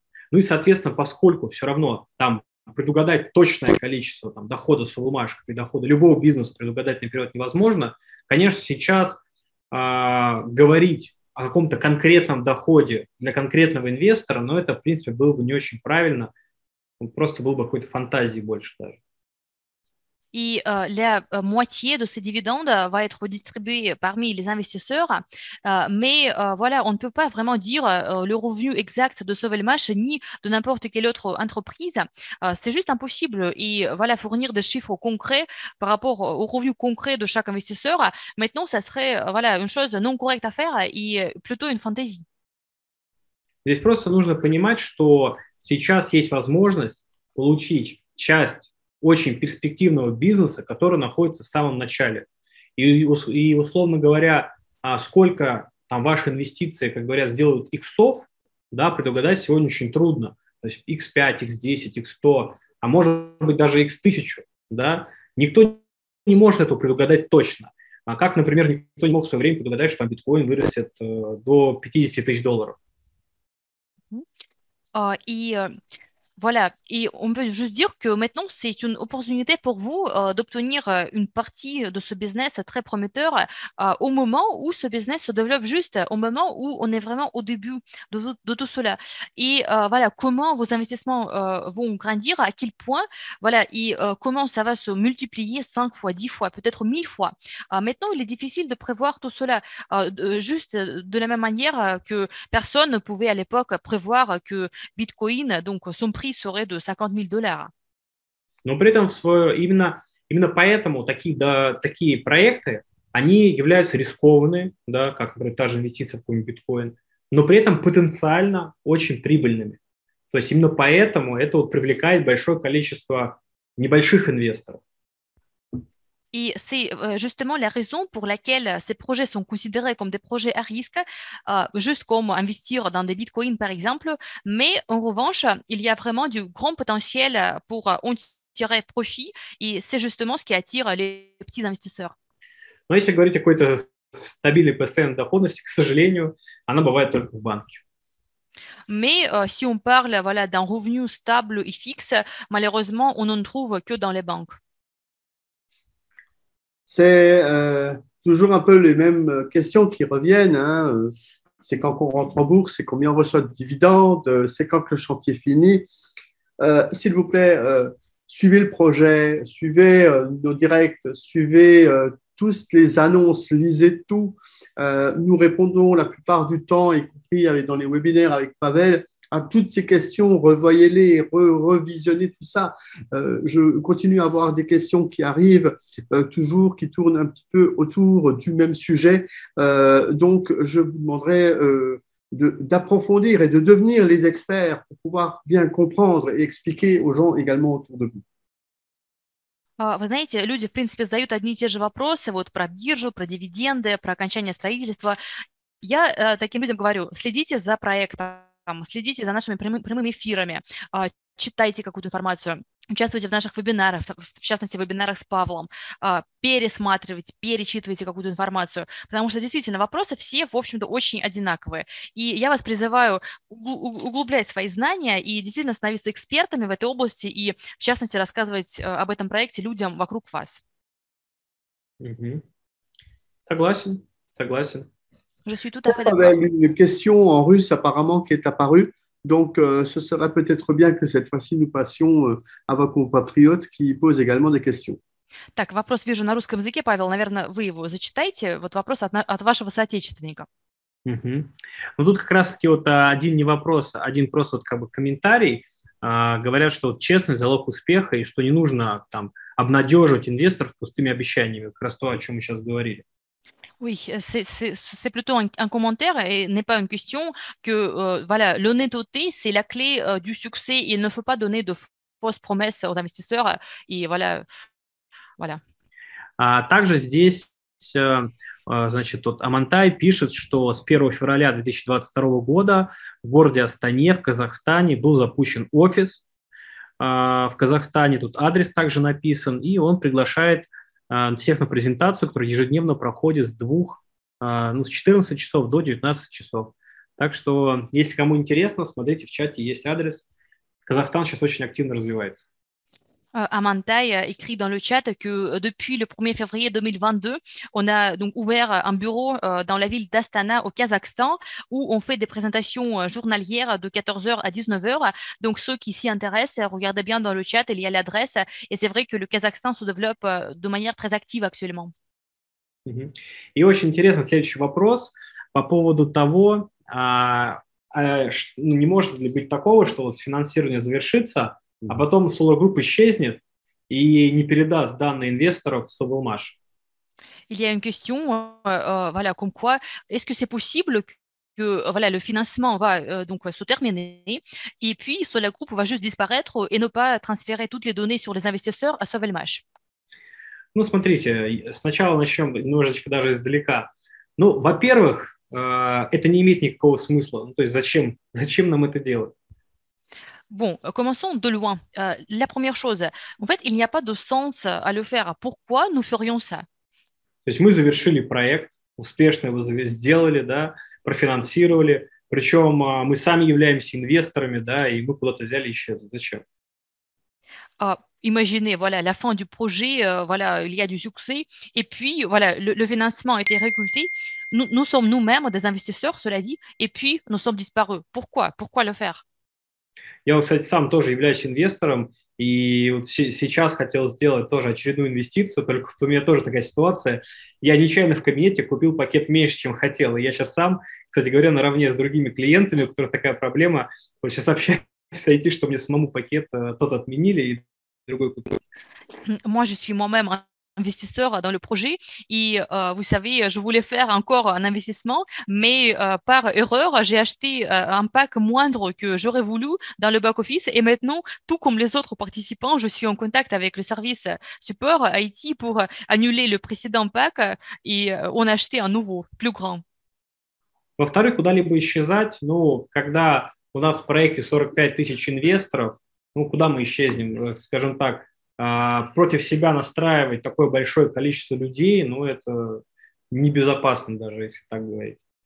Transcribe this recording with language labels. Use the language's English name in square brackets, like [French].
[Russian] Ну и, соответственно, поскольку все равно там предугадать точное количество там, дохода с бумажек и дохода любого бизнеса предугадать наперед невозможно, конечно, сейчас говорить о каком-то конкретном доходе для конкретного инвестора, но это, в принципе, было бы не очень правильно, просто было бы какой-то фантазии больше даже. [French] И la moitié de ces dividendes va être distribuée parmi les investisseurs, mais voilà, on ne peut pas vraiment dire le revenu exact de Suvalmash ni de n'importe quelle autre entreprise. C'est juste impossible. Et voilà, fournir des chiffres concrets par rapport au revenu concret de chaque investisseur, maintenant, ça serait voilà une chose non correcte à faire et plutôt une fantaisie. [Russian] Здесь просто нужно понимать, что сейчас есть возможность получить часть очень перспективного бизнеса, который находится в самом начале. И условно говоря, сколько там ваши инвестиции, как говорят, сделают иксов, да, предугадать сегодня очень трудно. То есть x5, x10, x100, а может быть даже x1000. Да? Никто не может этого предугадать точно. А как, например, никто не мог в свое время предугадать, что там биткоин вырастет до 50 тысяч долларов. [French] Voilà, et on peut juste dire que maintenant, c'est une opportunité pour vous d'obtenir une partie de ce business très prometteur au moment où ce business se développe juste, au moment où on est vraiment au début de tout cela. Et voilà, comment vos investissements vont grandir, à quel point, voilà, et comment ça va se multiplier 5 fois, 10 fois, peut-être 1000 fois. Maintenant, il est difficile de prévoir tout cela, juste de la même manière que personne ne pouvait à l'époque prévoir que Bitcoin, donc son prix serait de 50 000 dollars. [Russian] Но при этом именно поэтому такие проекты, они являются рискованные, да, как например, та же инвестиция в какой-нибудь биткоин, но при этом потенциально очень прибыльными. То есть именно поэтому это вот привлекает большое количество небольших инвесторов. [French] Et c'est justement la raison pour laquelle ces projets sont considérés comme des projets à risque, juste comme investir dans des bitcoins, par exemple. Mais en revanche, il y a vraiment du grand potentiel pour en tirer profit. Et c'est justement ce qui attire les petits investisseurs. [Russian] Но если говорить о какой-то стабильной постоянной доходности, к сожалению, она бывает только в банке. [French] Mais si on parle voilà, d'un revenu stable et fixe, malheureusement, on n'en trouve que dans les banques. C'est toujours un peu les mêmes questions qui reviennent. Hein. C'est quand on rentre en bourse, c'est combien on reçoit de dividendes, c'est quand que le chantier finit. S'il vous plaît, suivez le projet, suivez nos directs, suivez toutes les annonces, lisez tout. Nous répondons la plupart du temps, y compris dans les webinaires avec Pavel, à toutes ces questions, revoyez-les, revisionnez tout ça. Je continue à avoir des questions qui arrivent, toujours, qui tournent un petit peu autour du même sujet. Donc, je vous demanderai d'approfondir et de devenir les experts pour pouvoir bien comprendre et expliquer aux gens également autour de vous. [Russian] Вы знаете, люди, в принципе, задают одни и те же вопросы вот про биржу, про дивиденды, про окончание строительства. Я таким людям говорю, следите за проектом. Следите за нашими прямыми эфирами, читайте какую-то информацию, участвуйте в наших вебинарах, в частности, в вебинарах с Павлом, пересматривайте, перечитывайте какую-то информацию, потому что действительно вопросы все, в общем-то, очень одинаковые. И я вас призываю углублять свои знания и действительно становиться экспертами в этой области и, в частности, рассказывать об этом проекте людям вокруг вас. Согласен, согласен. [French] Je suis tout à fait d'accord. Il y a une question en russe apparemment qui est apparue. Donc, ce serait peut-être bien que cette fois-ci nous passions à vos compatriotes qui posent également des questions. [Russian] Так, вопрос вижу на русском языке, Павел. Наверное, вы его зачитаете. Вот вопрос от вашего соотечественника. Ну, тут как раз-таки вот один не вопрос, один просто вот как бы комментарий. Говорят, что вот честность – залог успеха и что не нужно там обнадеживать инвесторов пустыми обещаниями. Как раз то, о чем мы сейчас говорили. [French] Oui, c'est plutôt un commentaire et n'est pas une question que voilà, l'honnêteté, c'est la clé du succès. Il ne faut pas donner de fausses promesses aux investisseurs. Et voilà, voilà. [Russian] Также здесь, значит, вот Амантай пишет, что с 1 февраля 2022 года в городе Астане, в Казахстане, был запущен офис. В Казахстане тут адрес также написан, и он приглашает всех на презентацию, которая ежедневно проходит с 14 часов до 19 часов. Так что, если кому интересно, смотрите в чате, есть адрес. Казахстан сейчас очень активно развивается. [French] Амантай écrit dans le chat que depuis le 1er février 2022, on a donc ouvert un bureau dans la ville d'Astana au Kazakhstan où on fait des présentations journalières de 14h à 19h. Donc ceux qui s'y intéressent, regardez bien dans le chat, il y a l'adresse. Et c'est vrai que le Kazakhstan se développe de manière très active actuellement. [Russian] Et очень интересно, следующий вопрос по поводу того, не может ли быть такого, что вот финансирование завершится, а потом Solar Group исчезнет и не передаст данные инвесторов в Solmash. [French] Il y a une question, voilà, comme quoi, est-ce que c'est possible que voilà, le financement va donc se terminer et puis Solar Group va juste disparaître et ne pas transférer toutes les données sur les investisseurs à Solmash? [Russian] Ну, смотрите, сначала начнем немножечко даже издалека. Ну, во-первых, это не имеет никакого смысла. Ну, то есть зачем нам это делать? [French] Bon, commençons de loin. La première chose, en fait, il n'y a pas de sens à le faire. Pourquoi nous ferions ça? [Russian] То есть мы завершили проект, успешно его сделали, да, профинансировали, причем мы сами являемся инвесторами, да, и мы куда-то взяли еще. Зачем? [French] Imaginez, voilà, la fin du projet, voilà, il y a du succès, et puis, voilà, le financement a été récolté. Nous sommes nous-mêmes des investisseurs, cela dit, et puis nous sommes disparus. Пourquoi? Pourquoi le faire? [Russian] Я, кстати, сам тоже являюсь инвестором, и вот сейчас хотел сделать тоже очередную инвестицию, только что у меня тоже такая ситуация. Я нечаянно в кабинете купил пакет меньше, чем хотел, и я сейчас сам, кстати говоря, наравне с другими клиентами, у которых такая проблема, вот сейчас общаюсь с IT, что мне самому пакет тот отменили и другой купить. [French] Moi, je suis moi-même investisseur dans le projet. Et vous savez, je voulais faire encore un investissement, mais par erreur, j'ai acheté un pack moindre que j'aurais voulu dans le back-office. Et maintenant, tout comme les autres participants, je suis en contact avec le service support IT pour annuler le précédent pack et on a acheté un nouveau, plus grand. [Russian] Во-вторых, куда-либо исчезать, ну, когда у нас в проекте 45 тысяч инвесторов, ну, куда мы исчезнем, скажем так, против себя настраивать такое большое количество людей, ну, это небезопасно даже, если так говорить.